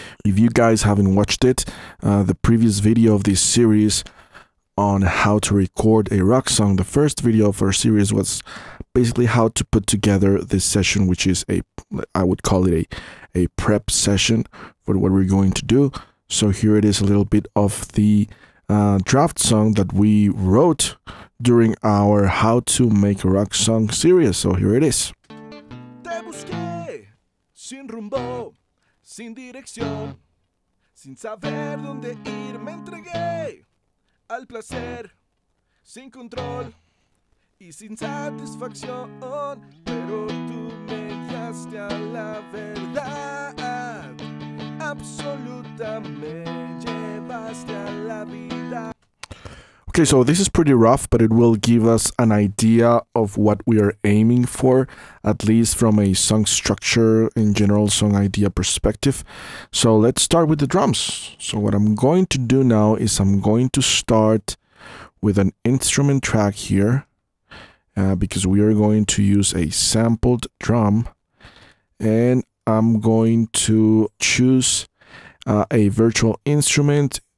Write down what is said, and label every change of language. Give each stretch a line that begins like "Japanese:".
English: If you guys haven't watched it, the previous video of this series on how to record a rock song, the first video of our series was basically how to put together this session, which is I would call it a prep session for what we're going to do. So here it is, a little bit of the draft song that we wrote during our how to make a rock song series. So here it is.
Spanish: Te busqué sin rumbo, sin dirección, sin saber dónde ir, me entregué al placer, sin control y sin satisfacción, pero tú me guiaste a la verdad absoluta, me llevaste a la vida.
English: Okay, so this is pretty rough, but it will give us an idea of what we are aiming for, at least from a song structure in general, song idea perspective. So let's start with the drums. So what I'm going to do now is I'm going to start with an instrument track here, because we are going to use a sampled drum, and I'm going to choose a virtual instrument.